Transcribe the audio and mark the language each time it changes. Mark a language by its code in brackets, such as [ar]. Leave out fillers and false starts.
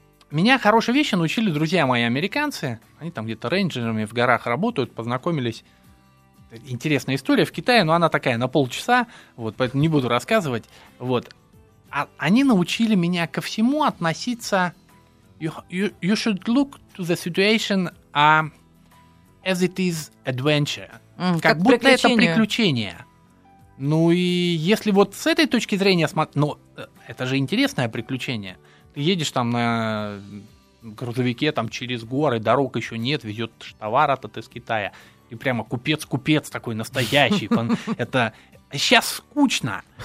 [ru] Меня хорошие вещи научили друзья мои американцы. Они там где-то рейнджерами в горах работают, познакомились. Интересная история в Китае, но она такая на полчаса, вот, поэтому не буду рассказывать. Вот. А они научили меня ко всему относиться... [en] You should look to the situation as it is adventure. [ru] Как будто приключение. Это приключение. Ну и если вот с этой точки зрения смотреть... Ну, это же интересное приключение. Едешь там на грузовике там через горы, дорог еще нет, везет товар этот из Китая. И прямо купец-купец такой настоящий. Это сейчас скучно.